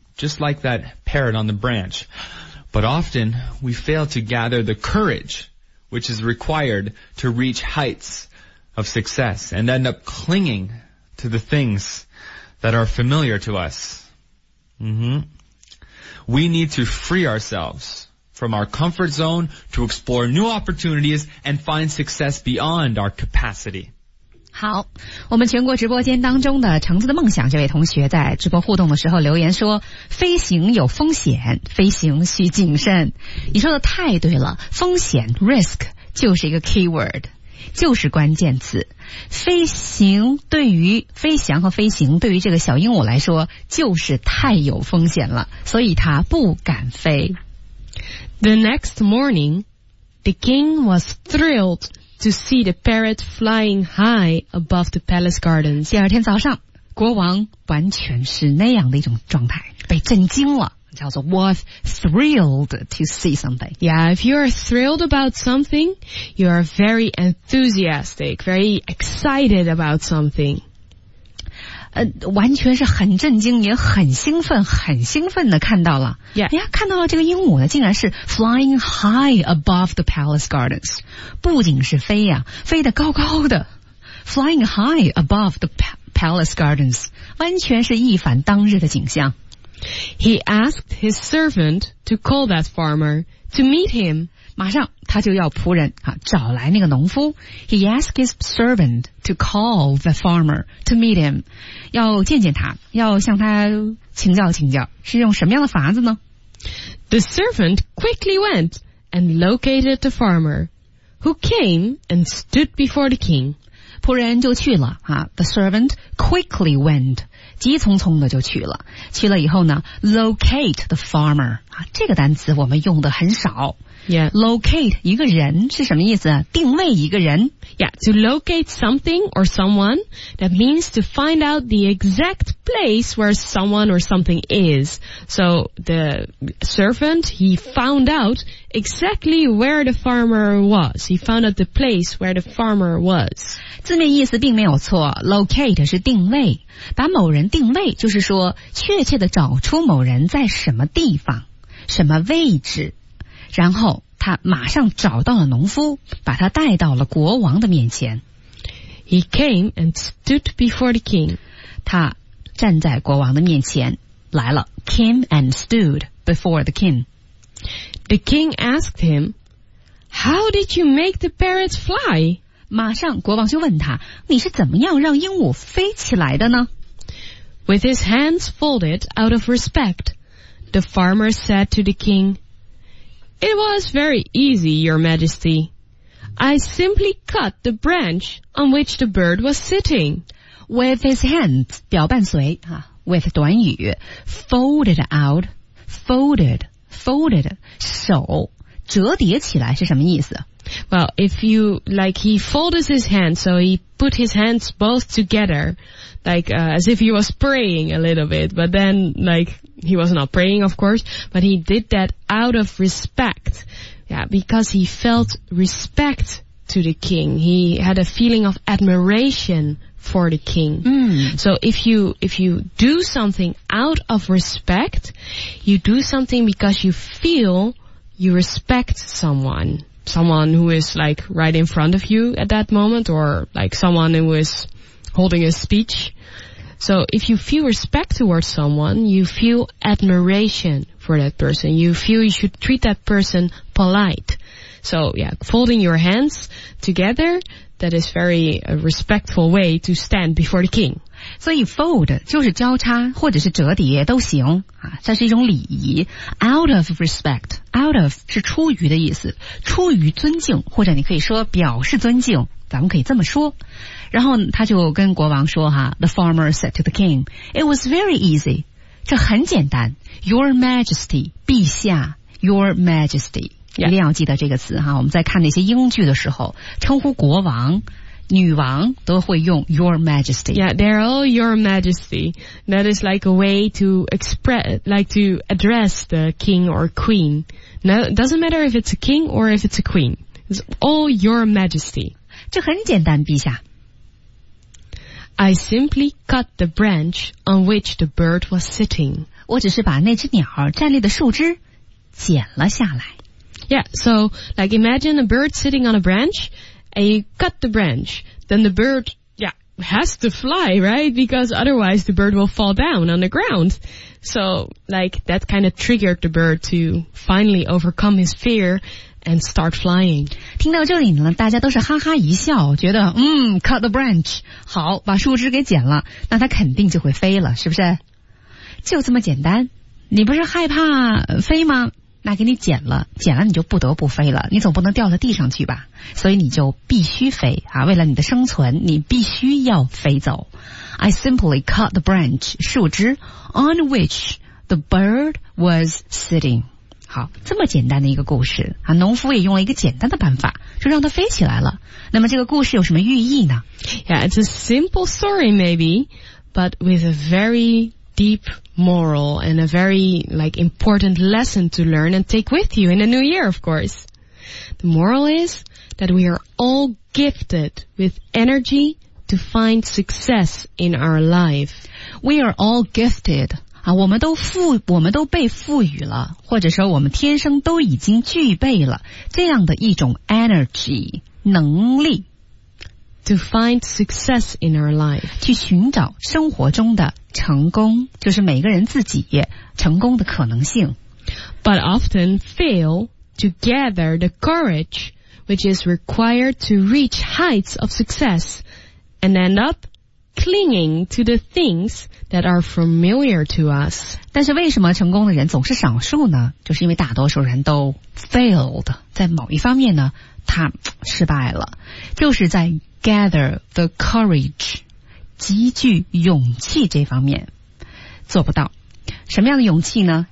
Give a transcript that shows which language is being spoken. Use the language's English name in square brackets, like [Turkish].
[English] Just like that parrot on the branch. But often, we fail to gather the courage which is required to reach heights of success and end up clinging to the things that are familiar to us. We need to free ourselves from our comfort zone to explore new opportunities and find success beyond our capacity. [Chinese] 好，我们全国直播间当中的橙子的梦想这位同学在直播互动的时候留言说，飞行有风险，飞行需谨慎。你说的太对了，风险 risk 就是一个 keyword， 就是关键词。飞行对于飞翔和飞行对于这个小鹦鹉来说就是太有风险了，所以它不敢飞。 [English] The next morning, the king was thrilledTo see the parrot flying high above the palace gardens. [Chinese] 第二天早上，国王完全是那样的一种状态，被震惊了，叫做 [English] was thrilled to see something. Yeah, if you are thrilled about something, you are very enthusiastic, very excited about something. [Chinese] 完全是很震惊，也很兴奋，很兴奋的看到了。 [English] Yeah. [Chinese] 哎呀，看到了这个鹦鹉呢，竟然是 [English] flying high above the palace gardens. [Chinese] 不仅是飞呀，飞得高高的。 [English] Flying high above the palace gardens. [Chinese] 完全是一反当日的景象。 [English] He asked his servant to call that farmer to meet him. [Chinese] 马上他就要仆人啊，找来那个农夫。 [English] He asked his servant to call the farmer to meet him. [Chinese] 要见见他，要向他请教请教，是用什么样的法子呢？ [English] The servant quickly went and located the farmer, who came and stood before the king. [Chinese] 仆人就去了啊。 [English] The servant quickly went, [Chinese] 急匆匆的就去了。去了以后呢， [English] locate the farmer, [Chinese] 啊，这个单词我们用的很少。 [English] Yeah. [Chinese] Locate 一个人是什么意思？定位一个人。 [English] Yeah, to locate something or someone, that means to find out the exact place where someone or something is. So the servant, he found out exactly where the farmer was. He found out the place where the farmer was. [Chinese] 字面意思并没有错， locate 是定位，把某人定位就是说确切地找出某人在什么地方，什么位置。然后他马上找到了农夫，把他带到了国王的面前。 [English] He came and stood before the king. [Chinese] 他站在国王的面前来了。 [English] Came and stood before the king. The king asked him, How did you make the parrot fly? [Chinese] 马上国王就问他，你是怎么样让鹦鹉飞起来的呢？ [English] With his hands folded out of respect, the farmer said to the king,It was very easy, Your Majesty. I simply cut the branch on which the bird was sitting. With his hands, [Chinese] 表伴随、with 短语 [English] folded out, folded, [Chinese] 手折叠起来是什么意思？ [English] Well, if you, like, he folded his hands, so he put his hands both together, like, as if he was praying a little bit, but then, like...He was not praying, of course, but he did that out of respect. Yeah, because he felt respect to the king. He had a feeling of admiration for the king. Mm. So if you do something out of respect, you do something because you feel you respect someone. Someone who is like right in front of you at that moment, or like someone who is holding a speech. So if you feel respect towards someone, you feel admiration for that person. You feel you should treat that person polite. So yeah, folding your hands together, that is very a respectful way to stand before the king. [Chinese] 所以 fold 就是交叉或者是折叠都行啊，这是一种礼仪。 [English] Out of respect, out of [Chinese] 是出于的意思，出于尊敬，或者你可以说表示尊敬，咱们可以这么说。然后他就跟国王说哈 [English] ，The farmer said to the king, "It was very easy." [Chinese] 这很简单 ， [English] Your Majesty, [Chinese] 陛下 ，Your Majesty。 [English] Yeah. [Chinese] 一定要记得这个词哈，我们在看那些英剧的时候，称呼国王、女王都会用 [English] Your Majesty. Yeah, they're all Your Majesty. That is like a way to express, like to address the king or queen. No, doesn't matter if it's a king or if it's a queen. It's all Your Majesty. [Chinese] 这很简单，陛下。 [English] I simply cut the branch on which the bird was sitting. [Chinese] 我只是把那只鸟站立的树枝剪了下来。 [English] Yeah, so like imagine a bird sitting on a branch and you cut the branch. Then the bird, yeah, has to fly, right? Because otherwise the bird will fall down on the ground. So like that kind of triggered the bird to finally overcome his fear and start flying. [Chinese] 听到这里呢，大家都是哈哈一笑，觉得 [English] cut the branch. [Chinese] 好，把树枝给剪了，那它肯定就会飞了，是不是？就这么简单。你不是害怕飞吗？那给你剪了，剪了你就不得不飞了，你总不能掉到地上去吧，所以你就必须飞啊！为了你的生存，你必须要飞走。 [English] I simply cut the branch 树枝 on which the bird was sitting. [Chinese] 好，这么简单的一个故事啊，农夫也用了一个简单的办法就让它飞起来了。那么这个故事有什么寓意呢？ [English] Yeah, it's a simple story maybe, but with a very deep moral and a very like important lesson to learn and take with you in the new year, of course. The moral is that we are all gifted with energy to find success in our life. We are all gifted. [Chinese] 啊，我们都被赋予了，或者说我们天生都已经具备了这样的一种 energy 能力。 [English] To find success in our life. [Chinese] 去寻找生活中的成功，就是每个人自己成功的可能性。 [English] But often fail to gather the courage which is required to reach heights of success and end up clinging to the things that are familiar to us. [Chinese] 但是为什么成功的人总是少数呢？就是因为大多数人都 failed, 在某一方面呢，他失败了，就是在 [English] gather the courage, [Chinese] 集聚勇气这方面做不到。什么样的勇气呢？